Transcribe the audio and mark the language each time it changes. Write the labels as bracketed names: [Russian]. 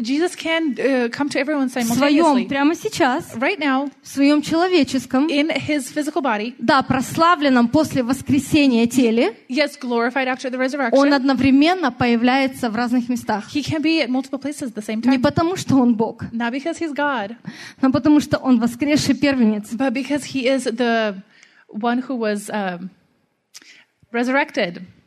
[English] Jesus can, come to everyone simultaneously. [Russian] В своем, прямо сейчас. [English] Right now, [Russian] в своем человеческом. [English] In his physical body. [Russian] Да, прославленном после воскресения теле. [English] Yes, glorified after the resurrection. [Russian] Он одновременно появляется в разных местах. [English] He can be at multiple places at the same time. [Russian] Не потому, что он Бог. [English] Not because he's God. [Russian] Но потому, что он воскресший первенец. [English] But because he is the one who was resurrected.